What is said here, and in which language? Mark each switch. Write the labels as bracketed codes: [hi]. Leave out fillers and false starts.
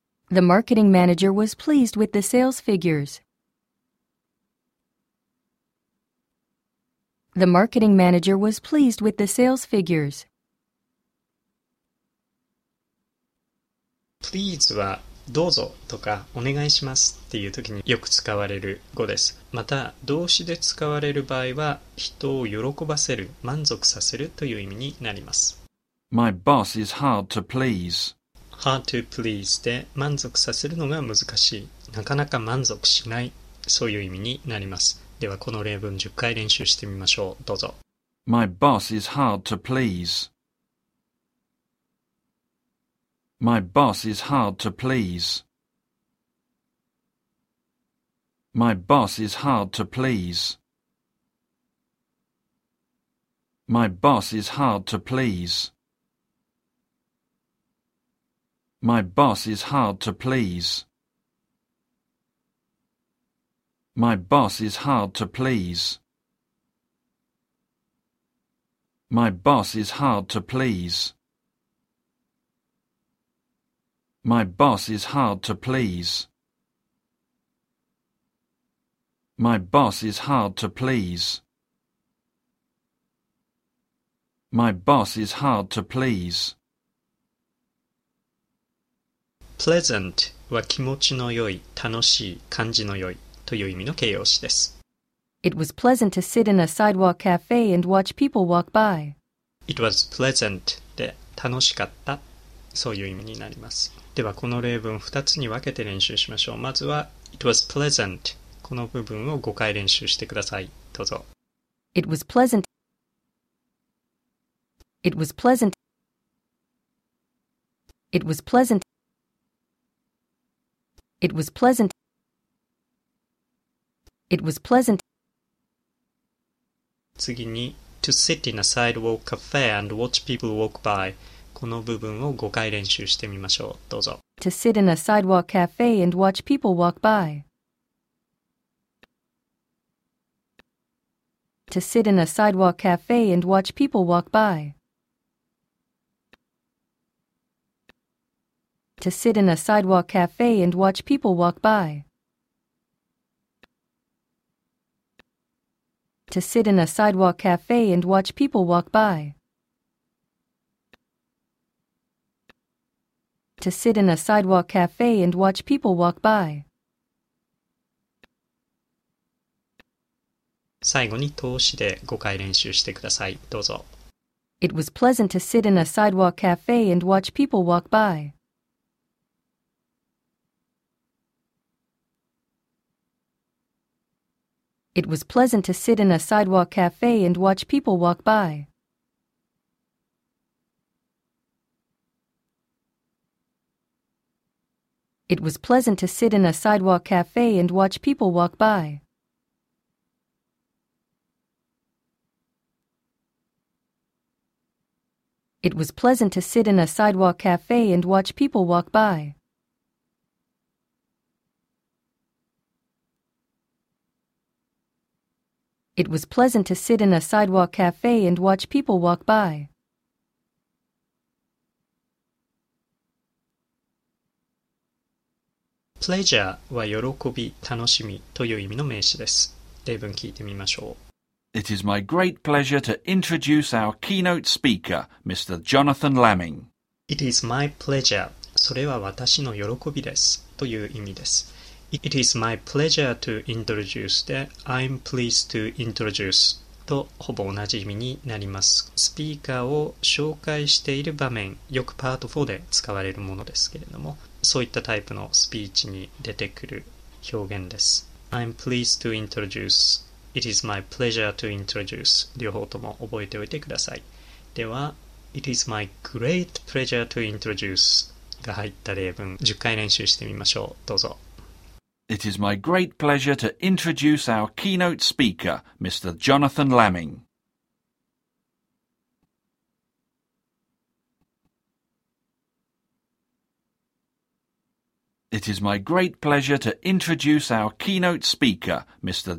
[en] The marketing manager was pleased with the sales figures. The marketing manager was pleased with the sales figures. Please, what? [ja] どうぞとかお願いしますっていう時によく使われる語です。また動詞で使われる場合は人を喜ばせる、満足させるという意味になります。 [en] My boss is hard to please. Hard to please [ja] で満足させるのが難しい。なかなか満足しない。そういう意味になります。ではこの例文10回練習してみましょう。どうぞ。 [en] My boss is hard to please. My boss is hard to please. My boss is hard to please. My boss is hard to please. My boss is hard to please. My boss is hard to please. My boss is hard to please. My boss is hard to please. My boss is hard to please. My boss is hard to please. [ja] Pleasant は気持ちの良い、楽しい、感じの良いという意味の形容詞です。 [en] It was pleasant to sit in a sidewalk cafe and watch people walk by. It was pleasant [ja] で楽しかった、そういう意味になります。ではこの例文2つに分けて練習しましょう。まずは [en] It was pleasant [ja] この部分を5回練習してください。どうぞ。 [en] It was pleasant. It was pleasant. It was pleasant. It was pleasant. It was pleasant. [ja] 次に [en] To sit in a sidewalk cafe and watch people walk by. [ja] この部分を5回練習してみましょう。どうぞ。 [en] To sit in a sidewalk cafe and watch people walk by. to sit in a sidewalk cafe and watch people walk by. To sit in a sidewalk cafe and watch people walk by. To sit in a sidewalk cafe and watch people walk by. To sit in a sidewalk cafe and watch people walk by. [ja] 最後に通しで5回練習してください。どうぞ。 [en] It was pleasant to sit in a sidewalk cafe and watch people walk by. It was pleasant to sit in a sidewalk cafe and watch people walk by. It was pleasant to sit in a sidewalk cafe and watch people walk by. It was pleasant to sit in a sidewalk cafe and watch people walk by. It was pleasant to sit in a sidewalk cafe and watch people walk by. [ja] Pleasure は喜び、楽しみという意味の名詞です。例文聞いてみましょう。 [en] It is my great pleasure to introduce our keynote speaker, Mr. Jonathan Lamming. It is my pleasure. [ja] それは私の喜びです。という意味です。 [en] It is my pleasure to introduce [ja] で [en] I'm pleased to introduce [ja] とほぼ同じ意味になります。スピーカーを紹介している場面、よくパート4で使われるものですけれども、そういったタイプのスピーチに出てくる表現です。 [en] I'm pleased to introduce、 It is my pleasure to introduce、 [ja] 両方とも覚えておいてください。では、 [en] It is my great pleasure to introduce [ja] が入った例文10回練習してみましょう。どうぞ。 [en] It is my great pleasure to introduce our keynote speaker, Mr. Jonathan Lamming. It is my great pleasure to introduce our keynote speaker, Mr.